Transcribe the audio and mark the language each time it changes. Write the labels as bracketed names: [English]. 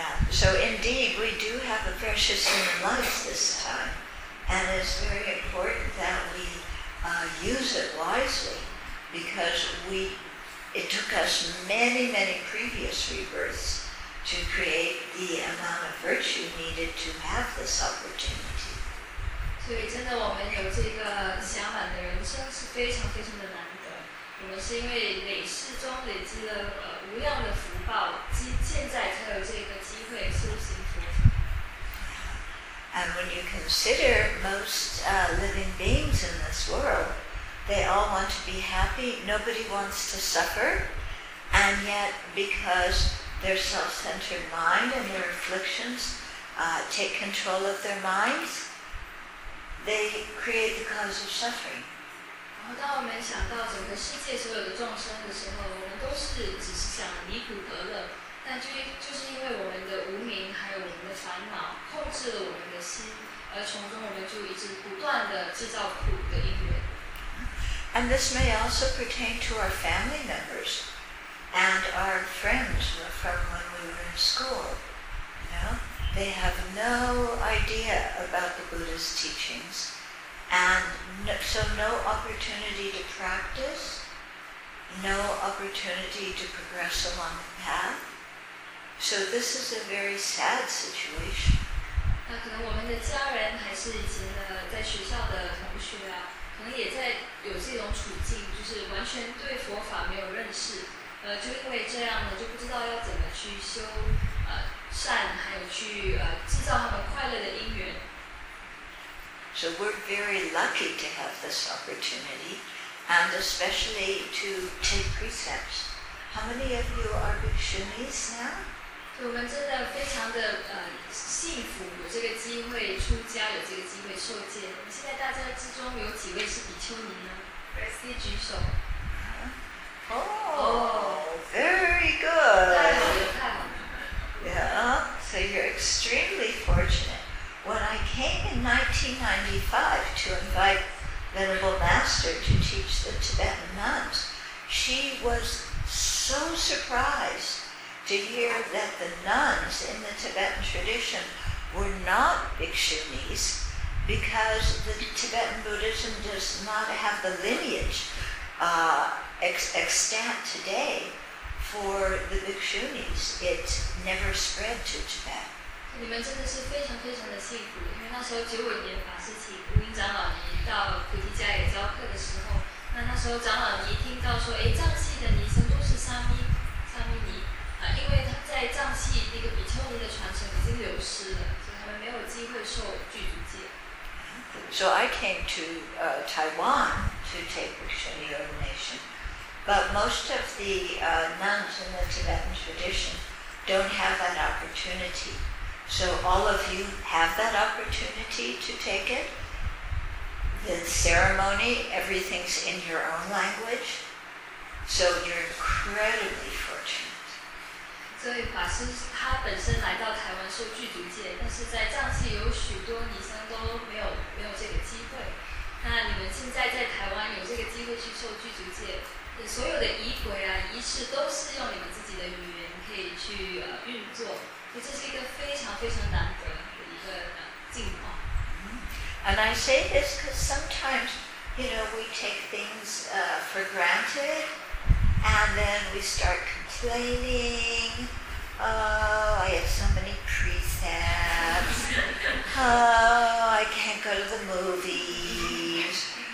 [English] So indeed, we do have a precious human life this time, and it's very important that we use it wisely, because it took us many, many previous rebirths to create the amount of virtue needed to have this opportunity. [Chinese] 所以真的，我们有这个想法的人生是非常非常的难得。我们是因为累世中累积了无量的福报，现在才有这个机会修行佛法。 [English] And when you consider most living beings in this world, they all want to be happy. Nobody wants to suffer. And yet, because their self-centered mind and their afflictions take control of their minds, they create the cause of suffering. [Chinese] 然后当我们想到整个世界所有的众生的时候，我们都是只是想离苦得乐，但就是因为我们的无明还有我们的烦恼控制了我们的心，而从中我们就一直不断的制造苦的因缘。 [English] And this may also pertain to our family members and our friends from when we were in school. You know, they have no idea about the Buddha's teachings, and so no opportunity to practice, no opportunity to progress along the path. So this is a very sad situation. [Chinese] 那可能我们的家人还是以前的在学校的同学啊，可能也在有这种处境，就是完全对佛法没有认识，就因为这样呢，就不知道要怎么去修善，还有去制造他们快乐的因缘。 [English] So we're very lucky to have this opportunity, and especially to take precepts. How many of you are bhikshunis now? [Chinese] 我们真的非常的幸福，有这个机会出家，有这个机会受戒。现在大家之中有几位是比丘尼呢？可以举手。 [English] Oh, very good. [Chinese] 太好了，太好了。 [English] Yeah, so you're extremely fortunate. When I came in 1995 to invite Venerable Master to teach the Tibetan monks, she was so surprised to hear that the nuns in the Tibetan tradition were not bhikshunis, because the Tibetan Buddhism does not have the lineage extant today for the bhikshunis. It never spread to Tibet. [Chinese] 你们真的是非常非常的幸福，因为那时候九五年法师请无明长老尼到菩提迦耶教课的时候，那时候长老尼听到说，哎，藏系的尼僧都是沙弥尼。因为他在藏系那个比丘尼的传承已经流失了，所以他们没有机会受具足戒。 [English] So I came to Taiwan to take bhikshuni ordination, but most of the nuns in the Tibetan tradition don't have that opportunity. So all of you have that opportunity to take it. The ceremony, everything's in your own language, so you're incredibly fortunate. [Chinese] 所以法师他本身来到台湾受具足戒，但是在藏系有许多尼僧都没有这个机会。那你们现在在台湾有这个机会去受具足戒，所有的仪轨啊仪式都是用你们自己的语言可以去运作，所以这是一个非常非常难得的一个境况。 [English] And I say this because sometimes, you know, we take things for granted. And then we start complaining. Oh, I have so many precepts. Oh, I can't go to the movies.